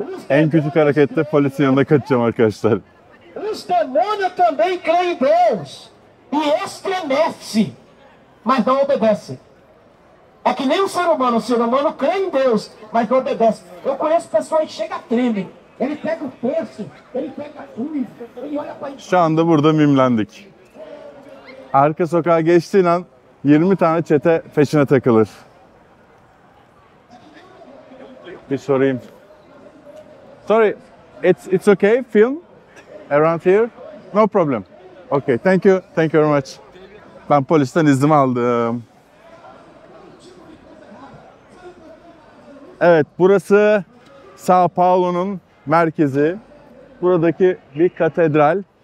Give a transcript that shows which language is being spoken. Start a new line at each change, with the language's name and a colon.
Turkish: En küçük harekette polisin yanında kaçacağım arkadaşlar.
Portuguese: Os demônios também crê em Deus. E estremece. Mas não obedece. É que nem o ser humano crê em Deus, mas não obedece. Eu conheço pessoas que chega a tremer. Ele pega o terço, ele pega a cruz, ele olha pra ele.
Turkish: Şu anda burada mimlendik. Arka sokağa geçtiğin an 20 tane çete peşine takılır. Bir sorayım.
English: Sorry, it's okay, film around here. No problem. Okay, thank you. Thank you very much.
Turkish: Ben polisten iznimi aldım. Evet, burası São Paulo'nun merkezi. Buradaki bir katedral.